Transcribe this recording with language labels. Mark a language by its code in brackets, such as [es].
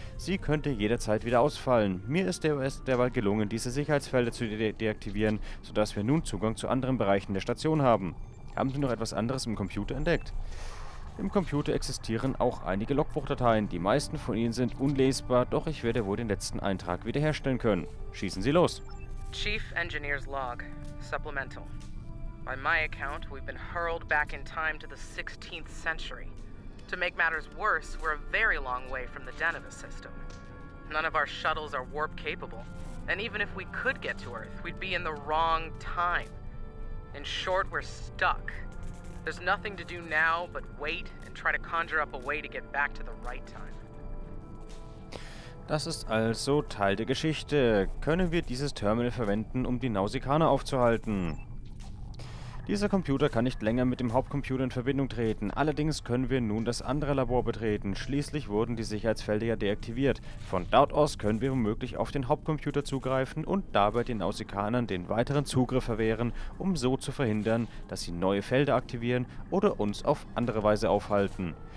[de] Sie könnte jederzeit wieder ausfallen. Mir ist derweil gelungen, diese Sicherheitsfelder zu deaktivieren, sodass wir nun Zugang zu anderen Bereichen der Station haben. Haben Sie noch etwas anderes im Computer entdeckt? Im Computer existieren auch einige Logbuchdateien. Die meisten von ihnen sind unlesbar, doch ich werde wohl den letzten Eintrag wiederherstellen können. Schießen Sie los! [en] Chief Engineer's Log, Supplemental. By my account, we've been hurled back in time to the 16th century. To make matters worse, we're a very long way from the Denova system. None of our shuttles are warp capable. And even if we could get to Earth, we'd be in the wrong time. In short, we're stuck. There's nothing to do now but wait and try to conjure up a way to get back to the right time. [de] Das ist also Teil der Geschichte. Können wir dieses Terminal verwenden, um die Nausikaner aufzuhalten? Dieser Computer kann nicht länger mit dem Hauptcomputer in Verbindung treten. Allerdings können wir nun das andere Labor betreten. Schließlich wurden die Sicherheitsfelder ja deaktiviert. Von dort aus können wir womöglich auf den Hauptcomputer zugreifen und dabei den Nausikanern den weiteren Zugriff verwehren, um so zu verhindern, dass sie neue Felder aktivieren oder uns auf andere Weise aufhalten.